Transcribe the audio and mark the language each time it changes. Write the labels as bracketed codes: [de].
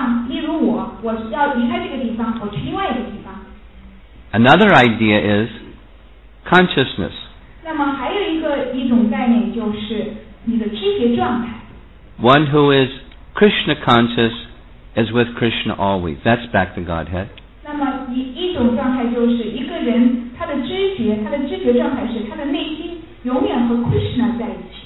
[zh] 例如我要离开这个地方，我去另外一个地方。 [en] Another idea is consciousness. [zh] 那么还有一种概念就是你的知觉状态。 [en] One who is Krishna conscious is with Krishna always. That's back to Godhead. [zh] 那么一种状态就是一个人他的知觉状态是他的内心永远和 Krishna 在一起。